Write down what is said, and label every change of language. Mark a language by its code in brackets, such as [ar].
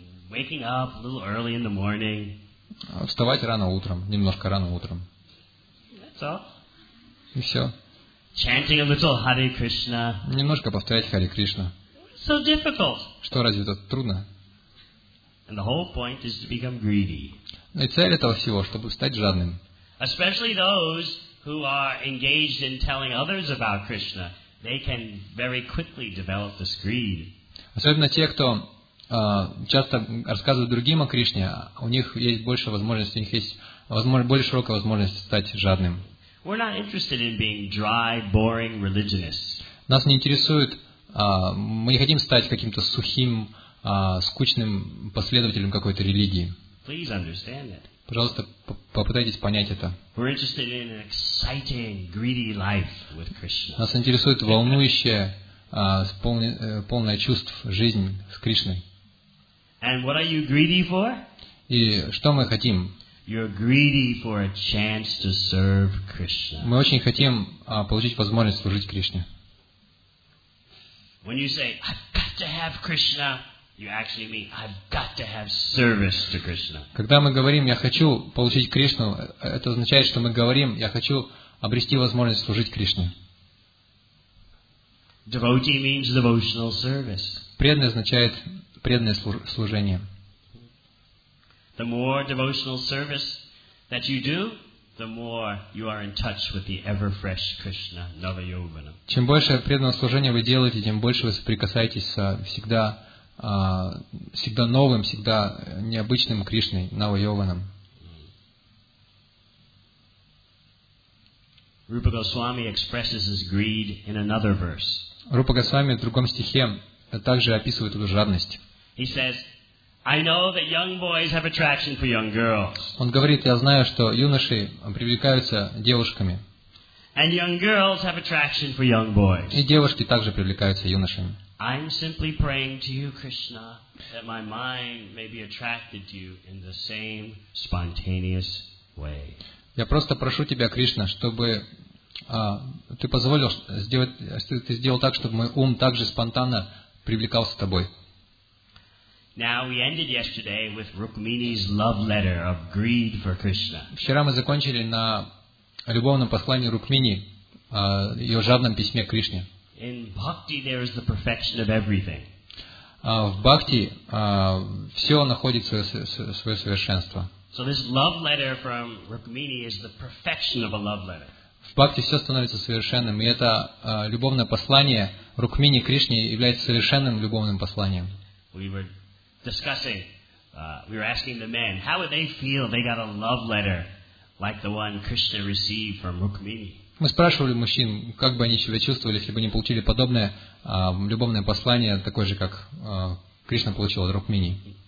[en] Waking up a little early in the morning. [ru] Вставать рано утром, немножко рано утром. [en] That's all. [ru] И все. [en] Chanting a little Hare Krishna. [ru] Немножко повторять Харе Кришна. [en] So difficult. [ru] Что разве это трудно? [en] And the whole point is to become greedy. [ru] И цель этого всего, чтобы стать жадным. [en] Especially those who are engaged in telling others about Krishna, they can very quickly develop this greed. [ru] Особенно те, кто часто рассказывают другим о Кришне, у них есть больше возможностей, у них есть более широкая возможность стать жадным. [en] We're not interested in being dry, boring religionists. [ru] Нас не интересует, мы не хотим стать каким-то сухим, скучным последователем какой-то религии. [en] Please understand it. [ru] Пожалуйста, попытайтесь понять это. [en] We're interested in an exciting, greedy life with Krishna. [ru] Нас интересует волнующее, полное чувств жизнь с Кришной. [en] And what are you greedy for? [ru] И что мы хотим? [en] You're greedy for a chance to serve Krishna. [ru] Мы очень хотим получить возможность служить Кришне. [en] When you say, I've got to have Krishna, you actually mean, I've got to have service to Krishna. [ru] Когда мы говорим, я хочу получить Кришну, это означает, что мы говорим, я хочу обрести возможность служить Кришне. [en] Devotee means devotional service. [ru] Преданный означает преданное служение. [en] The more devotional service that you do, the more you are in touch with the ever-fresh Krishna, Navayovana. [ru] Чем больше преданного служения вы делаете, тем больше вы соприкасаетесь со всегда, всегда новым, всегда необычным Кришной, Навайованом. [en] Rupa Goswami expresses his greed in another verse. [ru] Рупа Госвами в другом стихе также описывает эту жадность. [en] He says, I know that young boys have attraction for young girls. [ru] Он говорит, я знаю, что юноши привлекаются девушками. [en] And young girls have attraction for young boys. [ru] И девушки также привлекаются юношами. [en] I'm simply praying to you, Krishna, that my mind may be attracted to you in the same spontaneous way. [ru] Я просто прошу тебя, Кришна, чтобы ты позволил сделать, ты сделал так, чтобы мой ум также спонтанно привлекался к тобой. [en] Now we ended yesterday with Rukmini's love letter of greed for Krishna. [ru] Вчера мы закончили на любовном послании Рукмини, ее жадном письме к Кришне. [en] In bhakti there is the perfection of everything. [ru] В бхакти все находит свое совершенство. [en] So this love letter from Rukmini is the perfection of a love letter. [ru] В бхакти все становится совершенным, и это любовное послание Рукмини Кришне является совершенным любовным посланием. [en] Discussing, we were asking the men, how would they feel if they got a love letter like the one Krishna received from Rukmini? [ru] Мы спрашивали мужчин, как бы они себя чувствовали, если бы они получили подобное любовное послание, такое же, как Кришна получил от Рукмини.